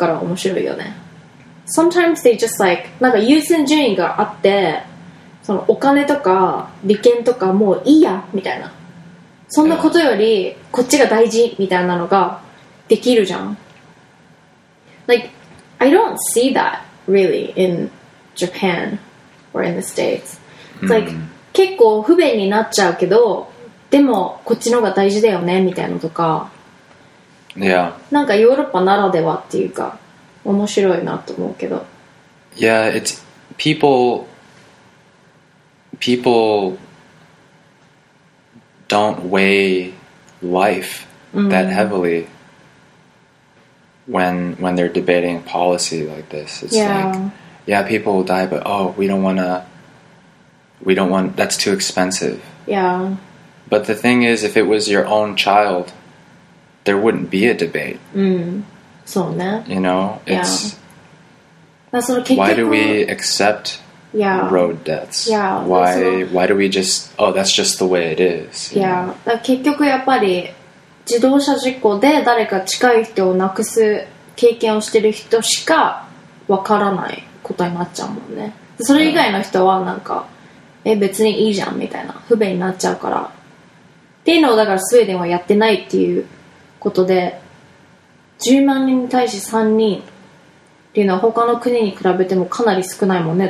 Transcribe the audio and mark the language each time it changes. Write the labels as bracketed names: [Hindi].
[Japanese] 人口10万人に対し、スウェーデンでは3人の死亡者がいますが、アメリカでは11.4人、ドミニカでは40人、日本でも5.2人が犠牲になっています。面白いね。なんかヨーロッパってこういうのあるから面白いよね。 [English] Sometimes they just like, [Japanese] なんか優先順位があって、そのお金とか利権とかもういいや、みたいな。そんなことよりこっちが大事、みたいなのができるじゃん。 [English] Like, I don't see that, really, in Japan or in the States. It's like, [Japanese] 結構不便になっちゃうけど、でもこっちの方が大事だよねみたいなのとか、 [English] Yeah. [Japanese] なんかヨーロッパならではっていうか、面白いなと思うけど。 [English] Yeah, it's people don't weigh life that heavily when they're debating policy like this. It's like, yeah, people will die, but oh, we don't want, that's too expensive. Yeah. But the thing is, if it was your own child, there wouldn't be a debate. [Japanese] そうね。 [English] You know, it's, [Japanese] yeah. その結局、 [English] why do we accept yeah. road deaths? Yeah. Why do we just, oh, that's just the way it is. Yeah. [Japanese] 結局やっぱり自動車事故で誰か近い人を亡くす経験をしてる人しか分からないことになっちゃうもんね。それ以外の人はなんか、え、別にいいじゃんみたいな、不便になっちゃうからっていうのを、だからスウェーデンはやってないっていうことで、10万人に対し3人っていうのは他の国に比べてもかなり少ないもんね。